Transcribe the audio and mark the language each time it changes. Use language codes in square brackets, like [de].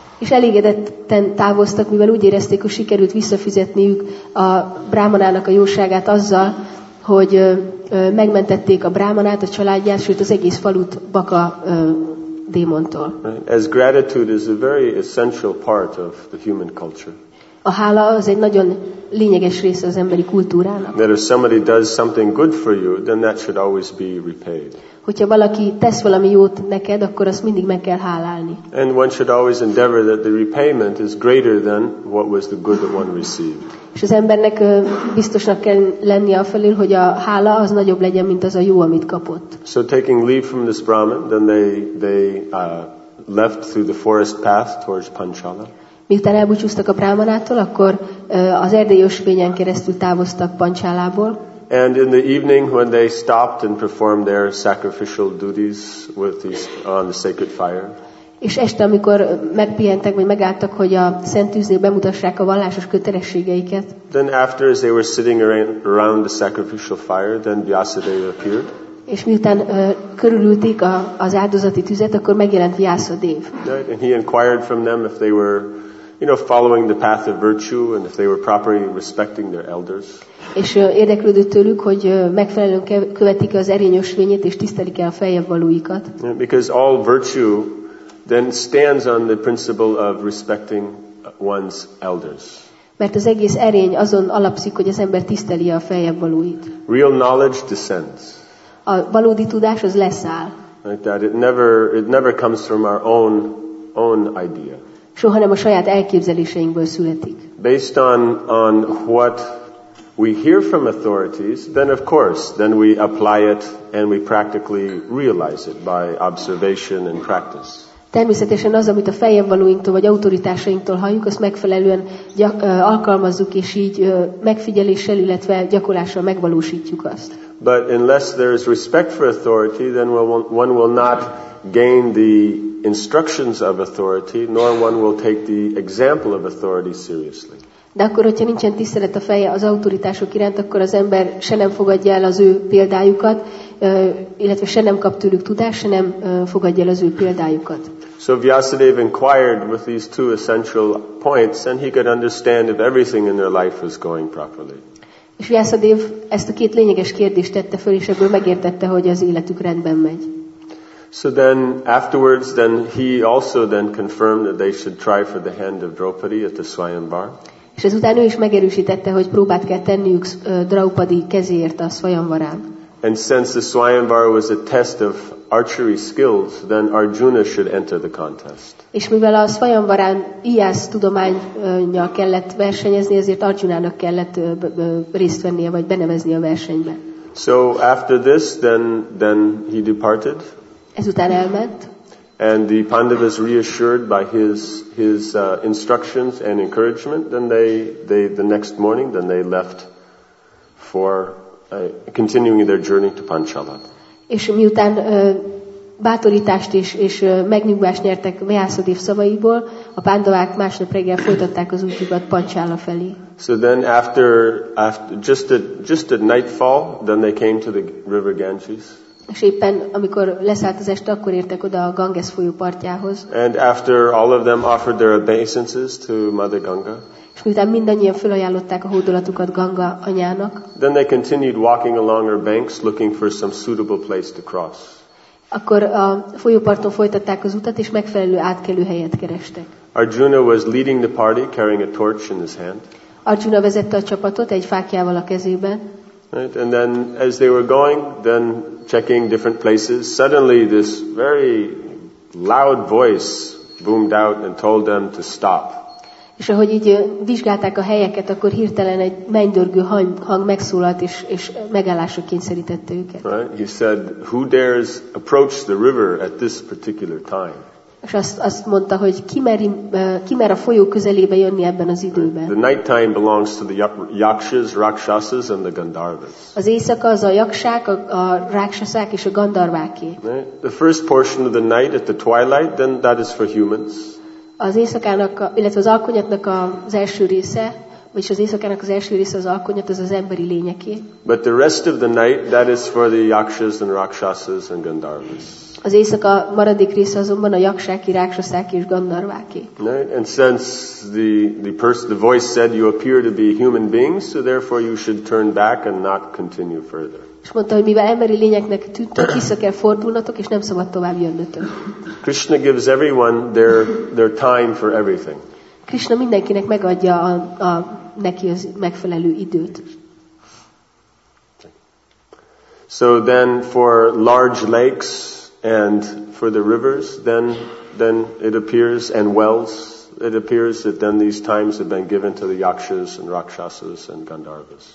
[hu] És elégedetten távoztak, mivel úgy érezték, hogy sikerült visszafizetniük a Brahmanának a jóságát azzal, hogy megmentették a Brahmanát, a családját, sőt az egész falut Baka démontól. [en] As gratitude is a very essential part of the human culture. [hu] A hála az egy nagyon lényeges része az emberi kultúrának. [en] That if somebody does something good for you, then that should always be repaid. [hu] Hogyha valaki tesz valami jót neked, akkor azt mindig meg kell hálálni. [en] And one should always endeavor that the repayment is greater than what was the good that one received. [hu] És az embernek biztosnak kell lennie afelől, hogy a hála az nagyobb legyen, mint az a jó, amit kapott. [en] So taking leave from this Brahman, then they left through the forest path towards Panchala. [hu] Miután elbúcsúztak a Brahmanától, akkor az erdei ösvényen keresztül távoztak Panchalából. [en] And in the evening when they stopped and performed their sacrificial duties with these on the sacred fire. [hu] És este, amikor megpihentek vagy megálltak, hogy a szent tűznél bemutassák a vallásos kötelességeiket. [en] Then after as they were sitting around the sacrificial fire, then Vyasadeva appeared. [hu] És miután körülülték az áldozati tüzet, akkor megjelent Vyasadeva. [en] Right, and he inquired from them if they were, you know, following the path of virtue and if they were properly respecting their elders. [hu] És érdeklődött tőlük, hogy megfelelően követik az erényösvényét és tisztelik el a feljebb valóikat. [en] Because all virtue then stands on the principle of respecting one's elders. [hu] Mert az egész erény azon alapszik, hogy az ember tiszteli a feljebb valóit. [en] Real knowledge descends. [hu] A valódi tudás az leszáll. [en] Like that it never comes from our own idea. [hu] Soha nem a saját elképzeléseinkből születik. [en] Based on what we hear from authorities, then of course, then we apply it and we practically realize it by observation and practice. [hu] Természetesen az, amit a feljebb valóinktól vagy autoritásainktól halljuk, azt megfelelően alkalmazzuk, és így megfigyeléssel, illetve gyakorlással megvalósítjuk azt. [en] But unless there is respect for authority, then one will not gain the instructions of authority, nor one will take the example of authority seriously. [hu] De akkor, hogyha nincsen tisztelet a feje az autoritások iránt, akkor az ember se nem fogadja el az ő példájukat, illetve se nem kap tőlük tudást, se nem fogadja el az ő példájukat. [en] So Vyasadeva inquired with these two essential points, and he could understand if everything in their life was going properly. [hu] És Vyasadeva ezt a két lényeges kérdést tette föl, és ebből megértette, hogy az életük rendben megy. [en] So then afterwards, then he also then confirmed that they should try for the hand of Draupadi at the Svayamvar. [hu] És ezután ő is megerősítette, hogy próbát kell tenniük Draupadi kezéért a Svayamvarán. [en] And since the Svayamvar was a test of archery skills, then Arjuna should enter the contest. [hu] És mivel a Svayamvarán ijász tudománnyal kellett versenyezni, ezért Arjunának kellett részt vennie, vagy benevezni a versenybe. [en] So after this, then he departed. [hu] Ezután elment. [en] and the Pandavas reassured by his instructions and encouragement, then the next morning they left for continuing their journey to Panchala. [hu] És miután bátorítást és megnyugvást nyertek Vyászadév szavaiból, a Pandavák másnap reggel folytatták az útjukat Panchala felé. [en] So then after just at nightfall, then they came to the river Ganges. [hu] És éppen amikor leszállt az este, akkor értek oda a Ganges folyó partjához. [en] And after all of them offered their obeisances to Mother Ganga. [hu] És miután mindannyian felajánlották a hódolatukat Ganga anyának. [en] Then they continued walking along her banks, looking for some suitable place to cross. [hu] Akkor a folyóparton folytatták az utat, és megfelelő átkelő helyet kerestek. [en] Arjuna was leading the party, carrying a torch in his hand. [hu] Arjuna vezette a csapatot egy fáklyával a kezében. [en] Right? And then as they were going, then checking different places, suddenly this very loud voice boomed out and told them to stop. [hu] És ahogy így vizsgálták a helyeket, akkor hirtelen egy mennydörgő hang megszólalt, és megállásra kényszerítette őket. [en] Right? He said, who dares approach the river at this particular time? [hu] És azt mondta, hogy ki mer a folyó közelébe jönni ebben az időben. [en] The night time belongs to the yakshas, rakshasas and the gandharvas. [hu] Az éjszaka az a yakshák, a rakshasák és a gandharváké. [en] Right? The first portion of the night at the twilight, then that is for humans. [hu] Az éjszakának, illetve az alkonyatnak az első része, vagyis az éjszakának az első része az alkonyat, az az emberi lényeké. [en] But the rest of the night, that is for the yakshas and rakshasas and gandharvas. [hu] Az éjszaka maradék része azonban a yakshák, rakshasák és gandharváké. [en] Right? And since the voice said you appear to be human beings, so therefore you should turn back and not continue further. [hu] És mondta, hogy mivel emberi lényeknek tűntök, vissza kell fordulnatok, és nem szabad tovább jönnötök. [en] Krishna gives everyone their time for everything. [hu] Krishna mindenkinek megadja a neki az megfelelő időt. [en] So then for large lakes and for the rivers, then it appears, and wells, it appears that then these times have been given to the yakshas and rakshasas and gandharvas.